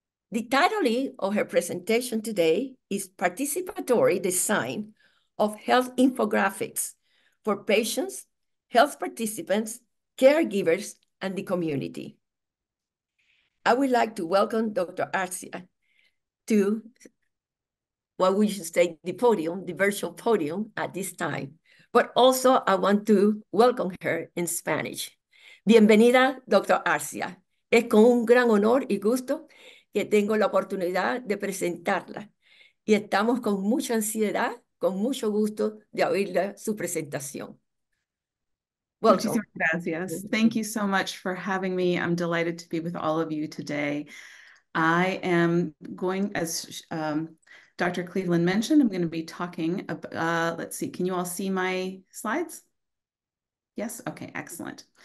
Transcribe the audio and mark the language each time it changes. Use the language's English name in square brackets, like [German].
[English] The title of her presentation today is Participatory Design of Health Infographics for Patients, Health Participants, Caregivers, and the Community. I would like to welcome Dr. Arcia to what we should say, the podium, the virtual podium at this time. But also I want to welcome her in Spanish. [Spanish] Bienvenida, Dr. Arcia. Es con un gran honor y gusto que tengo la oportunidad de presentarla. Y estamos con mucha ansiedad, con mucho gusto de oírle su presentación. [English] Welcome. [Spanish] Muchas gracias. [English] Thank you so much for having me. I'm delighted to be with all of you today. I am going, as Dr. Cleveland mentioned, I'm going to be talking about, let's see, can you all see my slides? Yes? Okay, excellent.